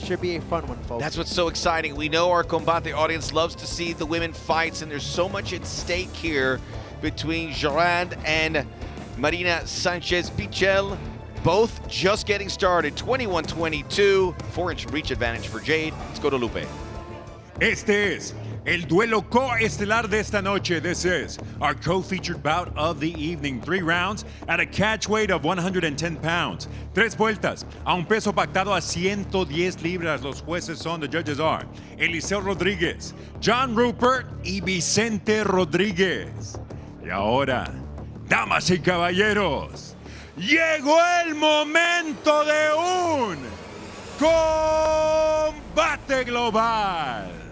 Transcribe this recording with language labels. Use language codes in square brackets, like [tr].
[en] Should be a fun one, folks. That's what's so exciting. We know our Combate audience loves to see the women fights, and there's so much at stake here between Jorand and Marina Sanchez Pichel, both just getting started. 21-22, 4-inch reach advantage for Jade. Let's go to Lupe. [es] Este es el duelo coestelar de esta noche. [en] This is our co-featured bout of the evening. Three rounds at a catch weight of 110 pounds. [es] Tres vueltas a un peso pactado a 110 libras. Los jueces son, [en] the judges are, [es] Eliseo Rodriguez, John Rupert, y Vicente Rodriguez. Y ahora, Damas y caballeros, llegó el momento de un combate global.